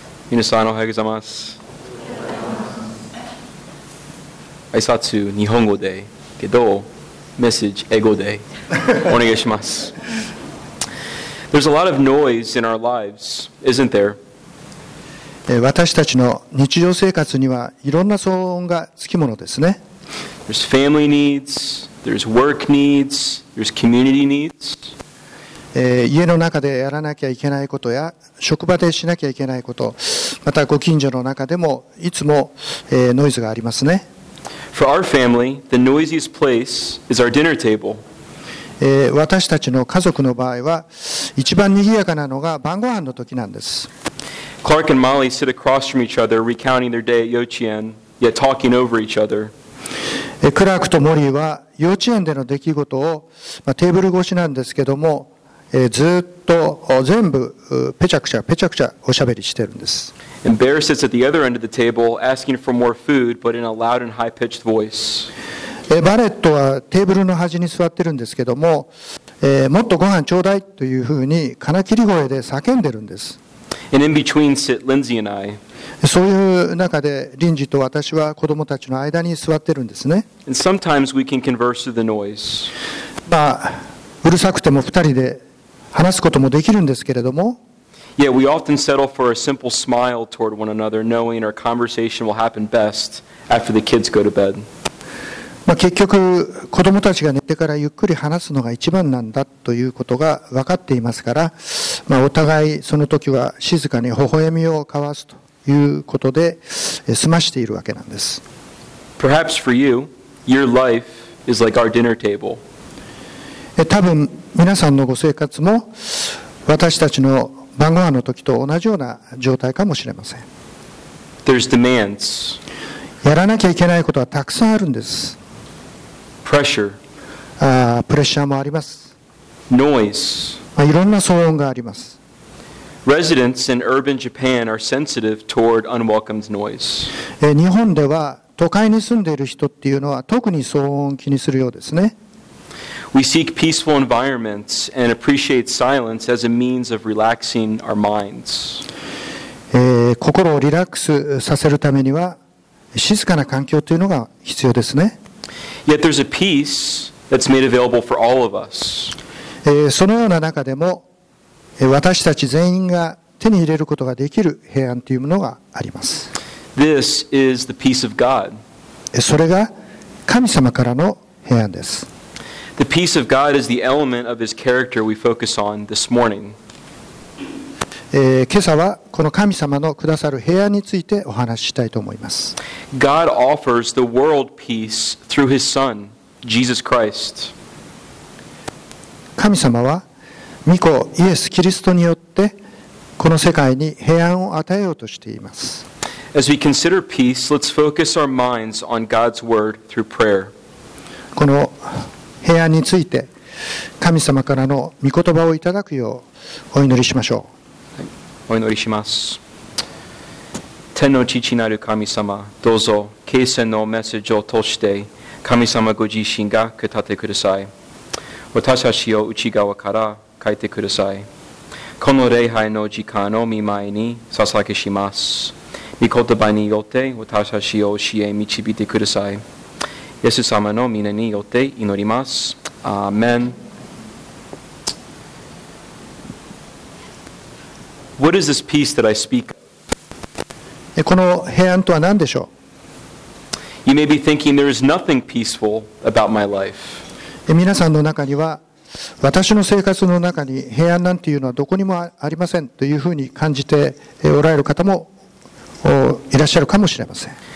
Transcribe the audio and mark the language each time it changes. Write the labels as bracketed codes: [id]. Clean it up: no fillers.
[ja] 皆さんおはようございます。挨拶日本語でけどメッセージ英語でお願いします。 [en] There's a lot of noise in our lives, isn't there? [ja] 私たちの日常生活にはいろんな騒音がつきものですね。 [en] There's family needs, there's work needs, there's community needs. [ja] 家の中でやらなきゃいけないことや職場でしなきゃいけないこと、またご近所の中でもいつも、ノイズがありますね。 [en] For our family, the noisiest place is our dinner table. [ja] 私たちの家族の場合は一番にぎやかなのが晩ご飯の時なんです。 [en] Clark and Molly sit across from each other recounting their day at 幼稚園 yet talking over each other. [ja] クラークとモリーは幼稚園での出来事を、まあ、テーブル越しなんですけども、ずっと全部ペチャクチャペチャクチャおしゃべりしてるんです。 [en] And Bear sits at the other end of the table asking for more food but in a loud and high pitched voice. [ja] バレットはテーブルの端に座ってるんですけども、もっとご飯ちょうだいというふうに金切り声で叫んでるんです。 [en] And in between sit Lindsay and I. [ja] そういう中でリンジと私は子供たちの間に座ってるんですね。 [en] And sometimes we can converse through the noise. [ja] まあうるさくても二人で話すこともできるんですけれども。 [en] Yeah, we often settle for a simple smile toward one another, knowing our conversation will happen best after the kids go to bed. [ja] まあ結局子供たちが寝てからゆっくり話すのが一番なんだということが分かっていますから、まあお互いその時は静かに微笑みを交わすということで済ましているわけなんです。 [en] Perhaps for you, your life is like our dinner table. [ja] 多分皆さんのご生活も私たちの晩御飯の時と同じような状態かもしれません。 [en] There's demands. [ja] やらなきゃいけないことはたくさんあるんです。 [en] Pressure. [ja] プレッシャーもあります。 [en] Noise. [ja] いろんな騒音があります。 [en] Residents in urban Japan are sensitive toward unwelcome noise. [ja] 日本では都会に住んでいる人っていうのは特に騒音を気にするようですね。 [en] We seek peaceful environments and appreciate silence as a means of relaxing our minds. [ja] 心をリラックスさせるためには静かな環境というのが必要ですね。 [en] Yet there's a peace that's made available for all of us. [ja] そのような中でも私たち全員が手に入れることができる平安というものがあります。 [en] This is the peace of God. [ja] それが神様からの平安です。 [en] The peace of God is the element of His character we focus on this morning. [ja] 今朝はこの神様のくださる平安についてお話ししたいと思います。 [en] God offers the world peace through His Son, Jesus Christ. [ja] 神様は御子イエス・キリストによってこの世界に平安を与えようとしています。 [en] As we consider peace, let's focus our minds on God's word through prayer. [ja] この平安について神様からの御言葉をいただくようお祈りしましょう。はい、お祈りします。天の父なる神様、どうぞ啓示のメッセージを通して神様ご自身が語ってください。私たちを内側から書いてください。この礼拝の時間を御前に捧げします。御言葉によって私たちを教え導いてください。イエス様の御名によって祈ります。アーメン。 [en] What is this peace that I speak of? [ja] この平安とは何でしょう。 [en] You may be thinking there is nothing peaceful about my life. [ja] 皆さんの中には私の生活の中に平安なんていうのはどこにもありませんというふうに感じておられる方もいらっしゃるかもしれません。